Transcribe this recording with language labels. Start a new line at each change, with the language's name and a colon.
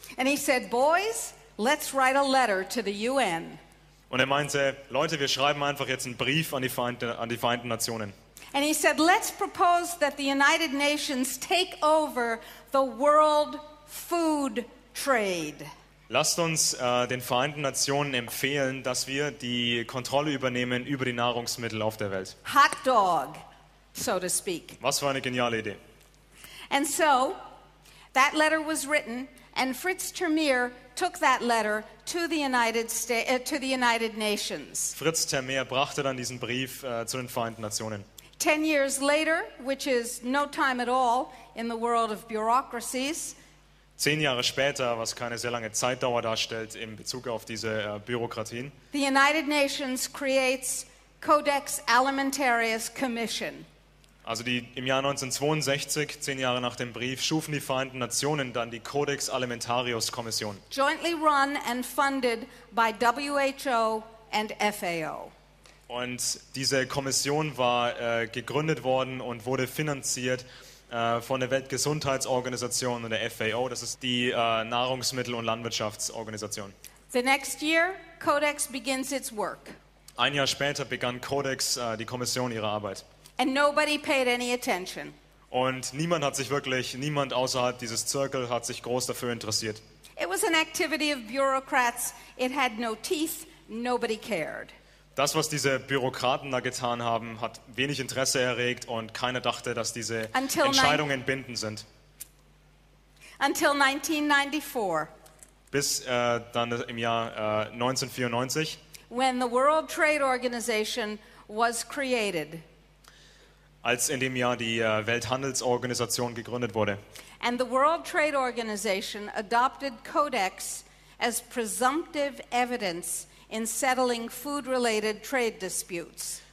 English: And he said, boys, let's write a letter to the UN.
German: Und er meinte, Leute, wir schreiben einfach jetzt einen Brief an die Vereinten Nationen.
English: And he said, let's propose that the United Nations take over the world food trade.
German: Lasst uns den Vereinten Nationen empfehlen, dass wir die Kontrolle übernehmen über die Nahrungsmittel auf der Welt.
English: Hot dog, so to speak.
German: Was für eine geniale Idee.
English: And so, that letter was written, and Fritz Termeer took that letter to the United States, to the United Nations.
German: Fritz Termeer brachte dann diesen Brief zu den Vereinten Nationen.
English: 10 years later, which is no time at all in the world of bureaucracies.
German: 10 Jahre später, was keine sehr lange Zeitdauer darstellt in Bezug auf diese Bürokratien.
English: The United Nations creates Codex Alimentarius Commission.
German: Also die im Jahr 1962, 10 Jahre nach dem Brief, schufen die Vereinten Nationen dann die Codex Alimentarius Kommission.
English: Jointly run and funded by WHO and FAO.
German: Und diese Kommission war gegründet worden und wurde finanziert von der Weltgesundheitsorganisation und der FAO, das ist die Nahrungsmittel- und Landwirtschaftsorganisation.
English: The next year, Codex begins its work.
German: Ein Jahr später begann Codex, die Kommission, ihre Arbeit.
English: And nobody paid any attention.
German: Und niemand hat sich wirklich, niemand außerhalb dieses Zirkel hat sich groß dafür interessiert.
English: It was an activity of bureaucrats. It had no teeth. Nobody cared.
German: Das, was diese Bürokraten da getan haben, hat wenig Interesse erregt und keiner dachte, dass diese Entscheidungen bindend sind.
English: Until 1994.
German: Bis dann im Jahr 1994.
English: When the World Trade Organization was created.
German: Als in dem Jahr die Welthandelsorganisation gegründet wurde.
English: And the World Trade Organization adopted Codex as presumptive evidence in settling food-related trade disputes.